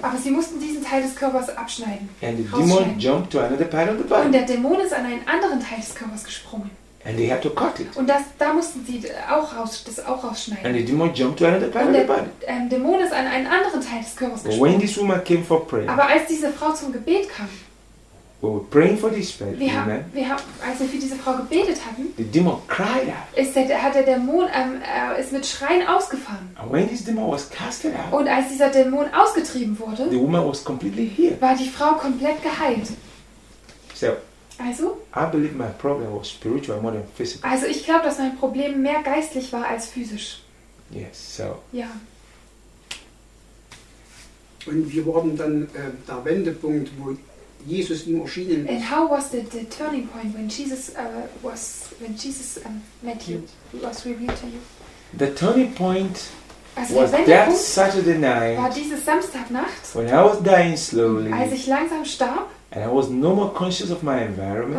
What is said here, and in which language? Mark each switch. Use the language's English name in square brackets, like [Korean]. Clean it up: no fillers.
[German] Aber sie mussten diesen Teil des Körpers abschneiden. [English] And the demon jumped to another part of the body. [German] Und der Dämon ist an einen anderen Teil des Körpers gesprungen. [English] And they had to cut it. [German] Und da mussten sie auch rausschneiden. [English] And the demon jumped to another part of the body. [German] Dämon ist an einen anderen Teil des Körpers gesprungen. [English] When this woman came for prayer. [German] Aber als diese Frau zum Gebet kam. [English] We were praying for this person, [German] als wir für diese Frau gebetet hatten, [English] the demon cried out. [German] Ist mit Schreien ausgefahren. [English] And when this demon was casted out, [German] und als dieser Dämon ausgetrieben wurde, [English] the woman was completely healed. [German] War die Frau komplett geheilt. [English] So, [German] also, [English] I believe my problem was spiritual more than physical. [German] Also ich glaube, dass mein Problem mehr geistlich war als physisch. [English] Yes, so. [German] Ja. Und wir wurden dann der Wendepunkt, wo Jesus ihm erschienen. [English] And how was the turning point when Jesus met you, was revealed to you? The turning point [German] also [English] was that Saturday night. [German] War diese Samstagnacht. [English] When I was dying slowly. [German] Als ich langsam starb. [English] And I was no more conscious of my environment.